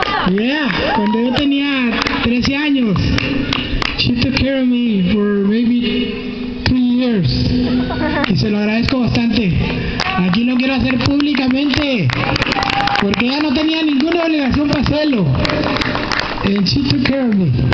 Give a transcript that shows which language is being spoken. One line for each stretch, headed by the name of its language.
Spanish: Yeah, cuando yo tenía 13 años.
English: She took care of me for maybe 3 years.
Spanish: Y se lo agradezco bastante. Aquí lo quiero hacer públicamente, porque ya no tenía ninguna obligación para hacerlo.
English: And she took care of me.